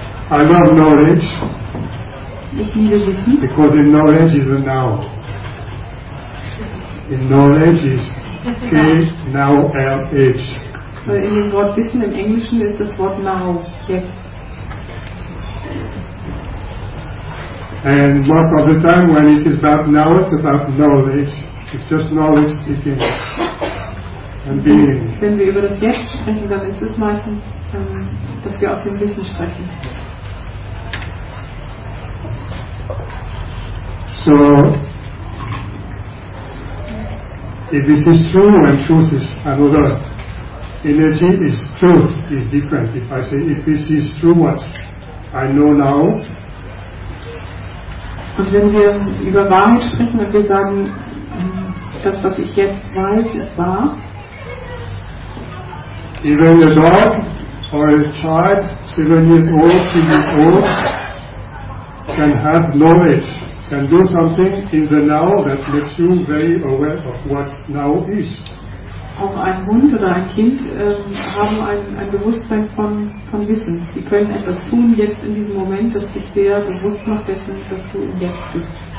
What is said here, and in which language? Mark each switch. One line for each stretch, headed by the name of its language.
English: I love knowledge.
German: Ich liebe Wissen.
English: Because in knowledge is a now. In knowledge is K-N-O-W-H.
German: Weil in dem Wort Wissen im Englischen ist das Wort now, jetzt.
English: And most of the time when it is about now, it's about knowledge. It's just knowledge speaking and being.
German: Wenn wir über das Jetzt sprechen, dann ist es meistens, dass wir aus dem Wissen sprechen.
English: So, if this is true and truth is another energy, is truth is different. If I say, if this is true, what I know now.
German: Und wenn wir über Wahrheit sprechen und wir sagen, das, was ich jetzt weiß, ist wahr.
English: Even a dog or a child, 7 years old, 3 years old, can have knowledge, can do something in the now that makes you very aware of what now is.
German: Auch ein Hund oder ein Kind haben ein Bewusstsein von Wissen. Sie können etwas tun jetzt in diesem Moment, das dich sehr bewusst macht dessen, dass du im Jetzt bist.